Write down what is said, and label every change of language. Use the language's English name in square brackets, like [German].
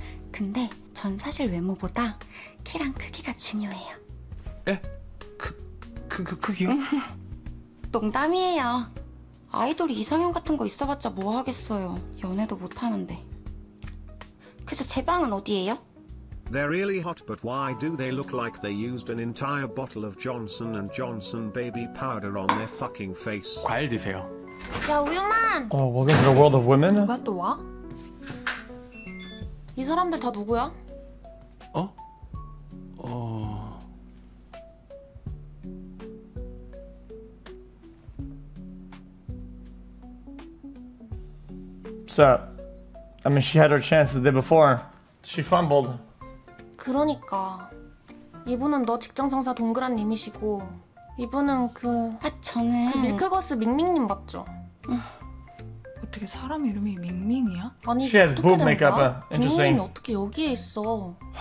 [Korean] 근데 전 사실 외모보다 키랑 크기가 중요해요. 에? 크기요? 농담이에요. 아이돌 이상형 같은 거 있어봤자 뭐 하겠어요. 연애도 못 하는데. 그래서 제 방은 어디예요? [English] They're really hot, but why do they look like they used an entire bottle of Johnson and Johnson baby powder on their fucking face? [Korean] 과일 드세요. 야 우유만. [English] Welcome to the world of women. [Korean] 누가 또 와? 이 사람들 다 누구야? 어? 자. [English] I mean, she had her chance the day before. She fumbled. [Korean] 그러니까 이분은 너 직장 상사 동그란 님이시고 이분은 그 아, 저는 그 밀크거스 밍밍님 맞죠? 어떻게 사람 이름이 밍밍이야? 아니, [English] she has boob makeup. Interesting. [Korean] 밍밍이 어떻게 여기에 있어?